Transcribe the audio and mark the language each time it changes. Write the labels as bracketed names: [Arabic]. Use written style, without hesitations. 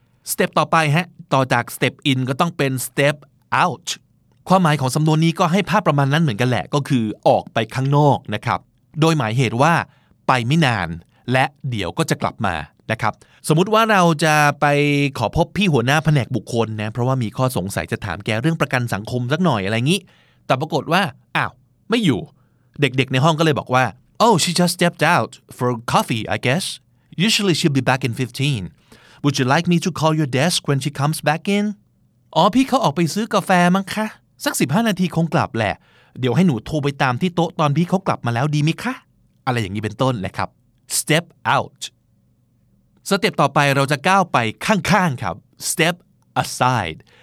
[Thai] สเต็ปต่อไปฮะต่อจากสเต็ปอินก็ต้องเป็นสเต็ปเอาท์ความหมายของสำนวนนี้ก็ให้ภาพประมาณนั้นเหมือนกันแหละก็คือออกไปข้างนอกนะครับโดยหมายเหตุว่าไปไม่นานและเดี๋ยวก็จะกลับมานะครับสมมุติว่าเราจะไปขอพบพี่หัวหน้าแผนกบุคคลนะเพราะว่ามีข้อสงสัยจะถามแกเรื่องประกันสังคมสักหน่อยอะไรงี้แต่ปรากฏว่าอ้าวไม่อยู่เด็กๆในห้องก็เลยบอกว่า [English] Oh, she just stepped out for coffee, I guess. Usually she'll be back in 15. Would you like me to call your desk when she comes back in? [Thai] Oh, พี่เขาออกไปซื้อกาแฟมั้งคะสัก15นาทีคงกลับแหละเดี๋ยวให้หนูโทรไปตามที่โต๊ะตอนพี่เขากลับมาแล้วดีมั้ยคะอะไรอย่างนี้เป็นต้นแหละครับ Step out. สเต็ปต่อไปเราจะก้าวไปข้างๆครับ Step aside.